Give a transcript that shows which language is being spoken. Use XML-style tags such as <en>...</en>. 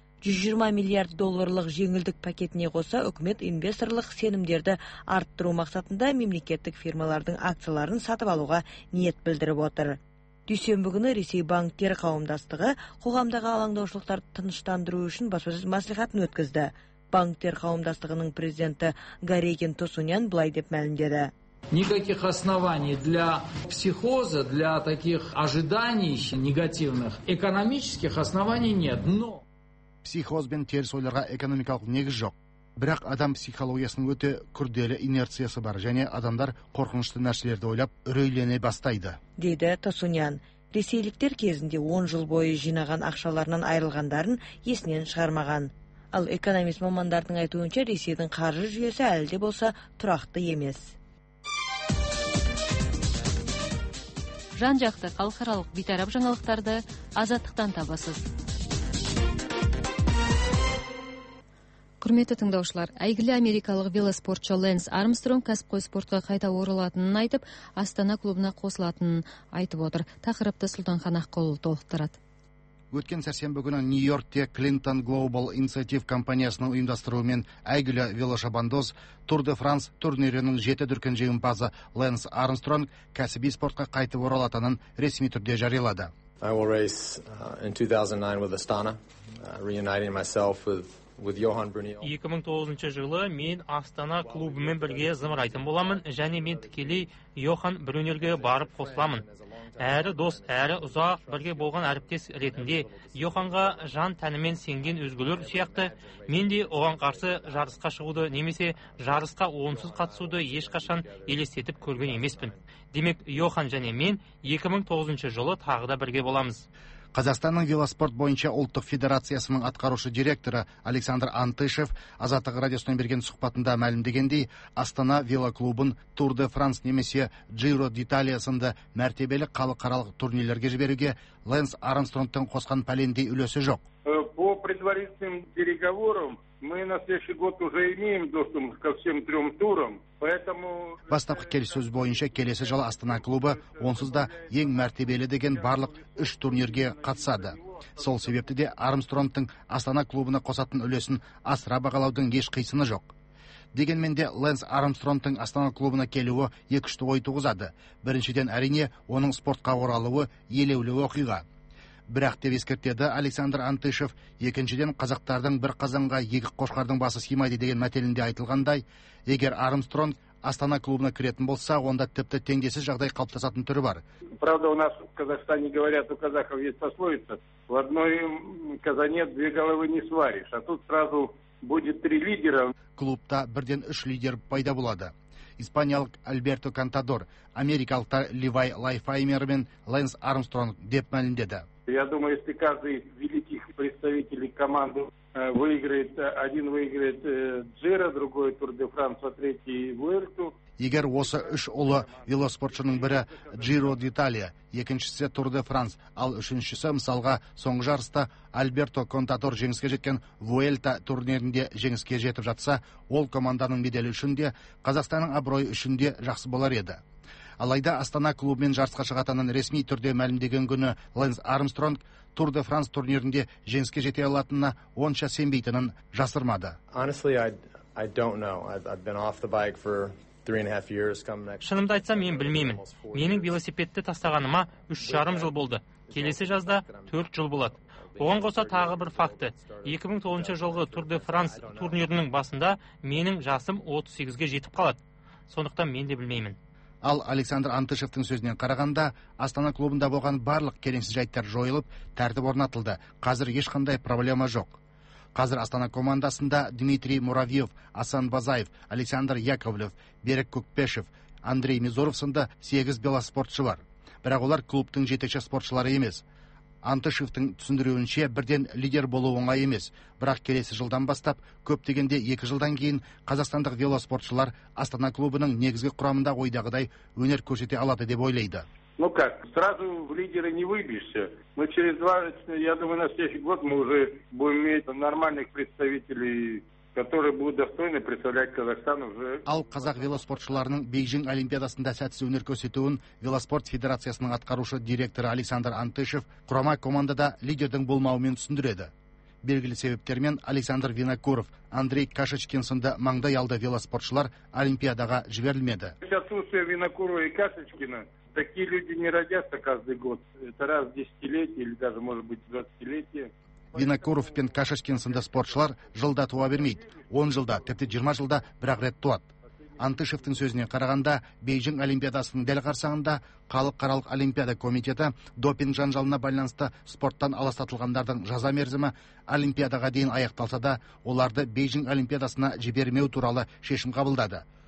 <kk>120 миллиард долларлық жеңілдік пакетіне қоса үкімет инвесторлық сенімдерді арттыру мақсатында мемлекеттік фирмалардың акцияларын сатып алуға ниет білдіріп отыр. Дүйсенбі күні Ресей банктері қауымдастығы қоғамдағы алаңдаушылықтарды тыныштандыру үшін баспасөз мәслихатын өткізді. Банктер қауымдастығының президенті Гарегин Тосунян былай деп мәлімдеді.</kk> <ru>Никаких оснований для психоза, для таких ожиданий негативных, экономических оснований нет, но</ru> <kk>психоз бен теріс ойларға экономикалық негіз жоқ. Бірақ адам психологиясының өте күрделі инерциясы бар, және адамдар қорқынышты нәрселерді ойлап, үрейлене бастайды. Дейді Тасунян. Ресейліктер кезінде 10 жыл бойы жинаған ақшаларынан айрылғандарын есінен шығармаған. Ал экономист мамандардың айтуынша, Ресейдің қаржы жүйесі әлі де болса тұрақты емес. Жан-жақты халықаралық бейтарап жаңалықтарды Азаттықтан табасыз. Құрметті тыңдаушылар, әйгілі америкалық велоспортшы Лэнс Армстронг кәсіпқой спортқа қайта оралатынын айтып, Астана клубына қосылатынын айтып отыр. Тақырыпты Сұлтанхан Аққолы толықтырады. Өткен сәрсенбі күні Нью-Йоркте Clinton Global Initiative компаниясының ұйымдастыруымен әйгілі велошабандоз Тур де Франс турнирінің 7 дүркін жеңімпазы Лэнс Армстронг кәсіби спортқа қайтып оралатынын ресми түрде жариялады.</kk> <en>I will race in 2009 with Astana, reuniting myself with Johan Bruniel.</en> <kk>2009 жылы мен Астана клубымен бірге зымырайтын боламын және мен тікелей Johan Bruniel-ге барып қосыламын. Әрі дос, әрі ұзақ бірге болған әріптес ретінде Johan-ға жан тәнімен сенген өзгелер сияқты мен де оған қарсы жарысқа шығуды немесе жарысқа онсыз қатысуды ешқашан елестетіп көрген емеспін. Демек Johan және мен 2009 жылы тағы да бірге боламыз. Қазақстанның велоспорт бойынша ұлттық федерациясының атқарушы директоры Александр Антышев Азаттық радиосына берген сұхбатында мәлімдегендей, Астана велоклубын Тур де Франс немесе Джиро д'Италия сынды мәртебелі халықаралық турнирлерге жіберуге Лэнс Армстронгтың қосқан пәлендей үлесі жоқ.</kk> <ru>По предварительным переговорам мы на следующий год уже имеем доступ ко всем трем турам.</ru> <kk>Бастапқы келіссөз бойынша келесі жылы Астана клубы онсызда ең мәртебелі деген барлық үш турнирге қатысады. Сол себепті де Армстронгтың Астана клубына қосатын үлесін асыра бағалаудың еш қисыны жоқ. Дегенмен де Лэнс Армстронгтың Астана клубына келуі екіші ой туғызады. Біріншіден, әрине, оның спортқа оралуы елеулі оқиға. Бірақ деп ескертеді Александр Антышев, екіншіден қазақтардың бір қазанға екі қошқардың басы сыймайды деген мәтелінде айтылғандай, егер Армстронг Астана клубына кіретін болса, онда тіпті теңдесіз жағдай қалыптасатын түрі бар.</kk> <ru>Правда, у нас в Казахстане говорят, у казахов есть пословица: в одной казане две головы не сваришь, а тут сразу будет три лидера.</ru> <kk>Клубта бірден үш лидер пайда болады. Испаниялық Альберто Контадор, америкалықтар Левай Лайфхаймер мен Лэнс Армстронг деп мәлімдеді.</kk> <ru>Я думаю, если каждый из великих представителей команды выиграет, один выиграет Джиро, другой Тур де Франс, а третий Вуэльту.</ru> <kk>егер осы үш ұлы велоспортшының бірі Джиро д'Италия, екіншісі Тур де Франс, ал үшіншісі мысалға соңғы жарыста Альберто Контадор жеңіске жеткен Вуэльта турнирінде жеңіске жетіп жатса, ол команданың беделі үшін де, Қазақстанның абыройы үшін де жақсы болар еді. Алайда Астана клубымен жарысқа шығатынын ресми түрде мәлімдеген күні Лэнс Армстронг Тур де Франс турнирінде жеңіске жете алатынына онша сенбейтінін жасырмады.</kk> <en>Honestly, I don't know. I've been off the bike for 3.5 years.</en> <kk>Шынымды айтсам, мен білмеймін. Менің велосипедті тастағаныма 3.5 жыл болды. Келесі жазда 4 жыл болады. Оған қоса тағы бір факты. 2009 жылғы Тур де Франс турнирінің басында менің жасым 38-ге жетіп қалады. Сондықтан мен де білмеймін. Ал Александр Антышевтің сөзінен қарағанда, Астана клубында болған барлық келеңсіз жайттар жойылып, тәртіп орнатылды. Қазір ешқандай проблема жоқ. Қазір Астана командасында Дмитрий Муравьев, Асан Базаев, Александр Яковлев, Берік Көкпешев, Андрей Мизоров сынды 8 велоспортшы бар. Бірақ олар клубтың жетекші спортшылары емес. Антышевтің түсіндіруінше, бірден лидер болу оңай емес, бірақ келесі жылдан бастап, көп дегенде 2 жылдан кейін қазақстандық велоспортшылар Астана клубының негізгі құрамында ойдағыдай өнер көрсете алады деп ойлайды.</kk> <ru>Ну как, сразу в лидеры не выбьешься. Мы через 20, я думаю, на следующий год мы уже будем иметь нормальных представителей, которые будут достойно представлять Казахстан уже.</ru> <kk>Ал қазақ велоспортшыларының Бейжің олимпиадасында сәтсіз өнер көрсетуін велоспорт федерациясының атқарушы директоры Александр Антышев құрама командада лидердің болмауымен түсіндіреді. Белгілі себептермен Александр Винокуров, Андрей Кашечкин сынды маңдай алды велоспортшылар олимпиадаға жіберілмеді.</kk> <ru>Отсутствие Винокурова и Кашечкина. Такие люди не родятся каждый год. Это раз в десятилетие или даже, может быть, в двадцатилетие.</ru> <kk>Винокуров пен Кашешкин сынды спортшылар жылда туа бермейді. 10 жылда, тіпті 20 жылда бірақ рет туады. Антышевтің сөзіне қарағанда, Бейжің олимпиадасының дәл қарсаңында Халықаралық олимпиада комитеті допинг жанжалына байланысты спорттан аластатылғандардың жаза мерзімі олимпиадаға дейін аяқталса да, оларды Бейжің олимпиадасына жібермеу туралы шешім қабылдады.</kk>